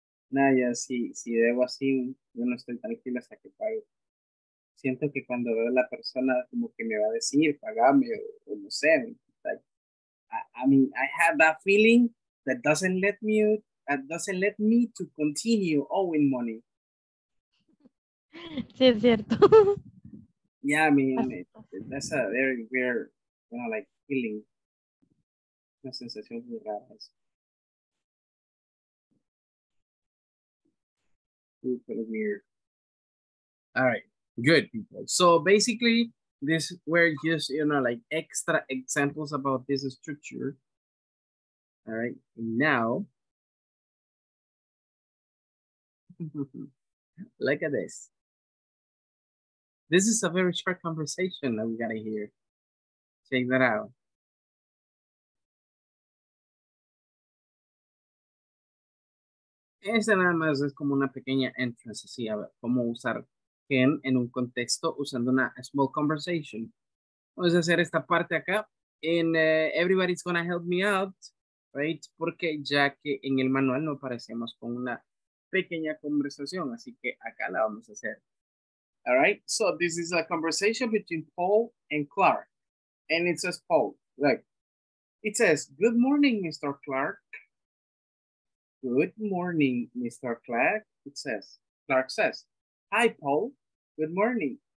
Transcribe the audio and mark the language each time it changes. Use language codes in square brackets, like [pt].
[es] Nada, ya si debo así, yo no estoy tranquilo hasta que pague. Siento que cuando veo a la persona como que me va a decir, pagame o no sé. [en] I have that feeling that doesn't let me to continue owing money. [es] Sí, es cierto. [en] Yeah, I mean, that's a very weird, you know, like, feeling. [es] Una sensación muy rara. [en] Super weird. All right, good people. So basically, these were just, you know, like, extra examples about this structure. All right, now, look at this. This is a very short conversation that we got to hear. Check that out. [es] Esta nada más es como una pequeña entrance, así, a ver, cómo usar can en un contexto usando una [en] small conversation. [es] Vamos a hacer esta parte acá. [en] And everybody's going to help me out, right? [es] Porque ya que en el manual no aparecemos con una pequeña conversación, así que acá la vamos a hacer. [en] All right, so this is a conversation between Paul and Clark. And it says, Paul, like, it says, good morning, Mr. Clark. Good morning, Mr. Clark. It says, Clark says, hi, Paul. Good morning.